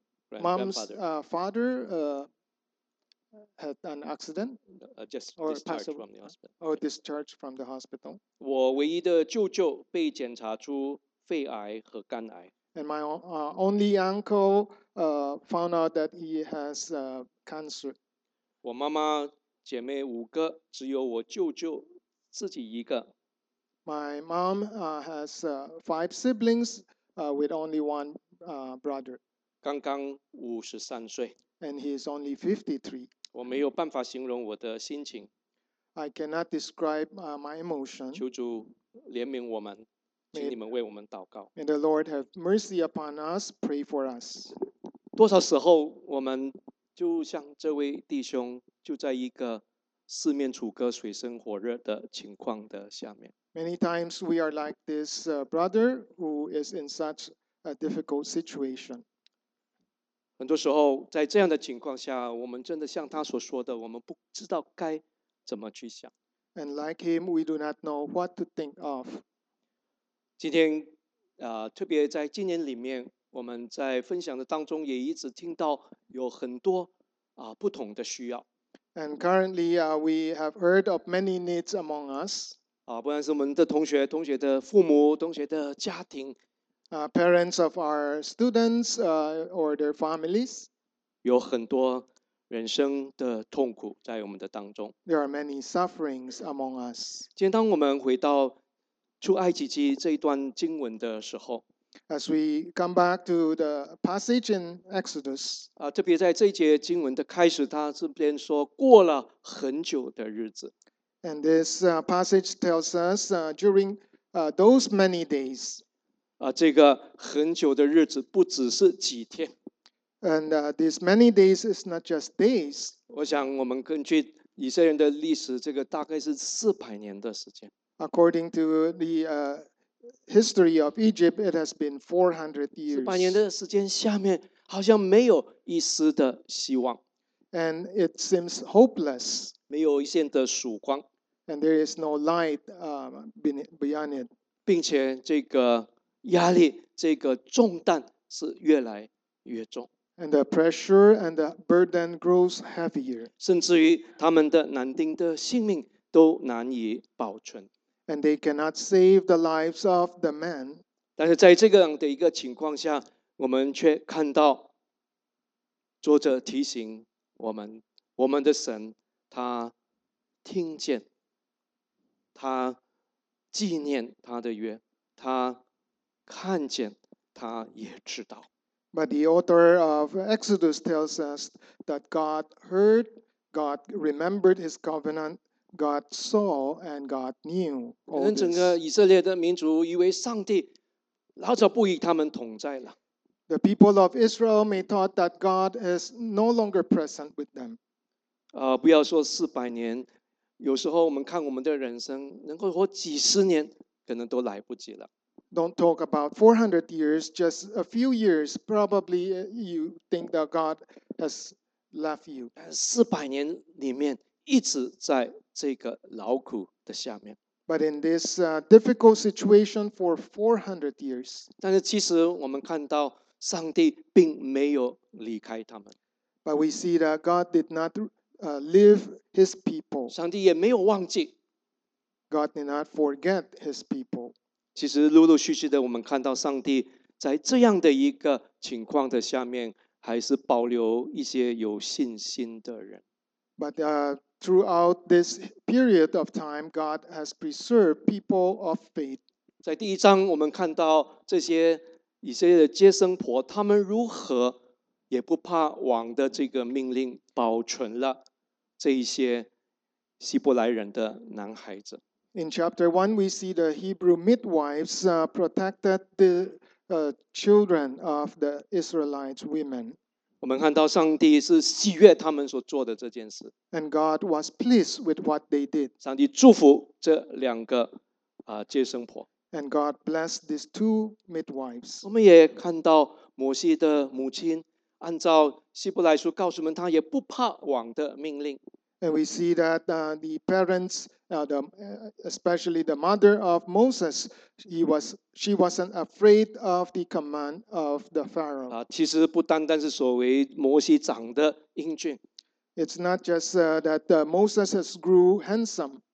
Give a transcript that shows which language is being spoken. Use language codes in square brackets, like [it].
[en] My mom's father had an accident. Just discharged from the hospital. Or discharged from the hospital. [zh] 我唯一的舅舅被检查出肺癌和肝癌。 [en] And my only uncle found out that he has cancer. [zh] 我妈妈姐妹五个，只有我舅舅自己一个。 [en] My mom has five siblings with only one brother. [zh] 刚刚53岁。 [en] And he is only 53. [zh] 我没有办法形容我的心情。 [en] I cannot describe my emotion. [zh] 求主怜悯我们。请你们为我们祷告。 [en] May the Lord have mercy upon us. Pray for us. [zh] 多少时候我们就像这位弟兄，就在一个四面楚歌、水深火热的情况的下面。 [en] Many times we are like this brother who is in such a difficult situation. [zh] 很多时候在这样的情况下，我们真的像他所说的，我们不知道该怎么去想。 [en] And like him, we do not know what to think of. [zh] 今天，特别在今年里面，我们在分享的当中也一直听到有很多不同的需要。 [en] And currently, we have heard of many needs among us. [zh] 不管是我们的同学、同学的父母、同学的家庭 [en] parents of our students, or their families. [zh] 有很多人生的痛苦在我们的当中。 [en] There are many sufferings among us. [zh] 今天当我们回到出埃及记这一段经文的时候， [en] As we come back to the passage in Exodus, [zh] 特别在这一节经文的开始，他这边说过了很久的日子。 [en] And this passage tells us during those many days, [zh] 这个很久的日子不只是几天。 [en] And these many days is not just days. [zh] 我想我们根据以色列人的历史，这个大概是400年的时间。 [en] According to the history of Egypt, it has been 400 years. [zh] 400年的时间下面，好像没有一丝的希望。 [en] And it seems hopeless. [zh] 没有一线的曙光。 [en] And there is no light beyond it. [zh] 并且这个压力，这个重担是越来越重。 [en] And the pressure and the burden grows heavier. [zh] 甚至于他们的男丁的性命都难以保存。 [en] And they cannot save the lives of the men. [zh] 但是在这样的一个情况下，我们却看到作者提醒我们，我们的神他听见，他纪念他的约，他看见，他也知道。 [en] But the author of Exodus tells us that God heard, God remembered His covenant. God saw and God knew. [zh] 可能整个以色列的民族以为上帝老早不与他们同在了。 [en] The people of Israel may thought that God is no longer present with them. [zh] 不要说四百年，有时候我们看我们的人生，能够活几十年，可能都来不及了。 [en] Don't talk about 400 years, just a few years. Probably you think that God has left you. [zh] 四百年里面一直在这个劳苦的下面。 [en] But in this difficult situation for 400 years. [zh] 但是其实我们看到上帝并没有离开他们。 [en] But we see that God did not leave his people. [zh] 上帝也没有忘记。 [en] God did not forget his people. [zh] 其实陆陆续续的我们看到上帝在这样的一个情况的下面还是保留一些有信心的人。 [en] But throughout this period of time, God has preserved people of faith. [zh] 在第一章我们看到这些以色列的接生婆，他们如何也不怕王的这个命令，保存了这一些希伯来人的男孩子。 [en] In chapter 1, we see the Hebrew midwives protected the children of the Israelite women. [zh] 我们看到上帝是喜悦他们所做的这件事。 [en] And God was pleased with what they did. [zh] 上帝祝福这两个接生婆。 [en] And God blessed these two midwives. [zh] 我们也看到摩西的母亲按照希伯来书告诉我们他也不怕王的命令。 [en] And we see that the parents, especially the mother of Moses, she wasn't afraid of the command of the Pharaoh. [zh] 其实不单单是所谓摩西长得英俊。 [en] It's not just that Moses has grew handsome.